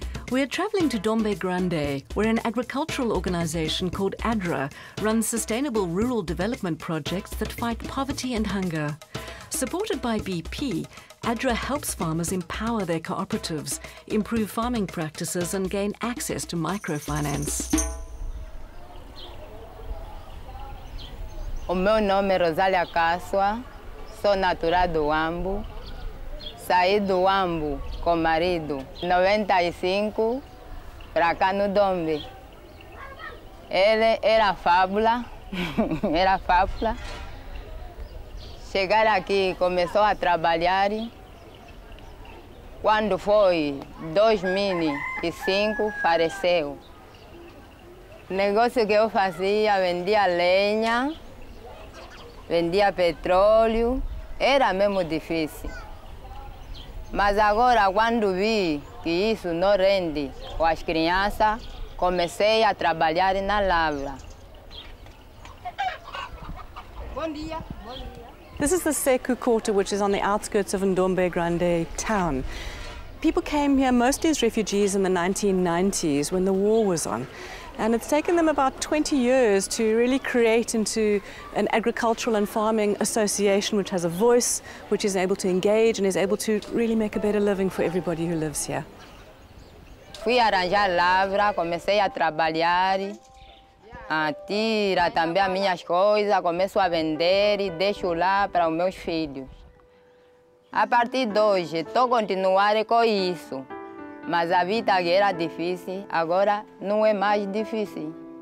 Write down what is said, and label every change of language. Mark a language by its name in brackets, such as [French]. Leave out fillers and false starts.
[English] We are traveling to Dombe Grande, where an agricultural organization called ADRA runs sustainable rural development projects that fight poverty and hunger. Supported by BP, ADRA helps farmers empower their cooperatives, improve farming practices, and gain access to microfinance. [Portuguese] O meu nome é Rosália Cássia, sou natural do Uambo. Saí do Uambo com marido em 95, para cá no Dombe. Ele era fábula, era fábula. Chegar aqui, começou a trabalhar. Quando foi 2005, faleceu. negócio que eu fazia, vendia lenha, vendia petróleo, era mesmo difícil. Mas agora, quando vi que isso não rende com as crianças, comecei a trabalhar na lavra. Bom dia. Bom dia. [English] This is the Seku quarter, which is on the outskirts of Ndombe Grande town. People came here mostly as refugees in the 1990s when the war was on. And it's taken them about 20 years to really create into an agricultural and farming association which has a voice, which is able to engage and is able to really make a better living for everybody who lives here. [Portuguese] Fui arranjar lavra, comecei a trabalhar, a tirar também as minhas coisas, começo a vender e deixo lá para os meus filhos. A partir de hoje, estou continuando com isso. Mas a vida que era difícil, agora não é mais difícil.